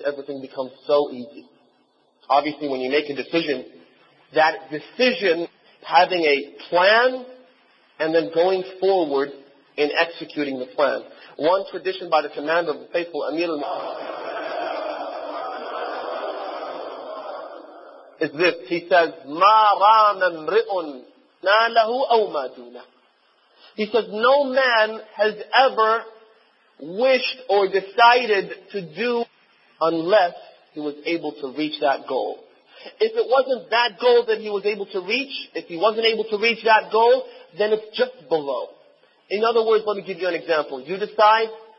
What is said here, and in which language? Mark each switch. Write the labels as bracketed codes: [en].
[en] Everything becomes so easy. Obviously, when you make a decision, that decision, having a plan, and then going forward in executing the plan. One tradition by the command of the faithful Amir al-Mu'minin is this. He says, [ar] مَا رَامَ امْرِئٌ مَا لَهُ أَوْ مَا دُونَ. [en] He says, no man has ever wished or decided to do unless he was able to reach that goal. If it wasn't that goal that he was able to reach, if he wasn't able to reach that goal, then it's just below. In other words, let me give you an example. You decide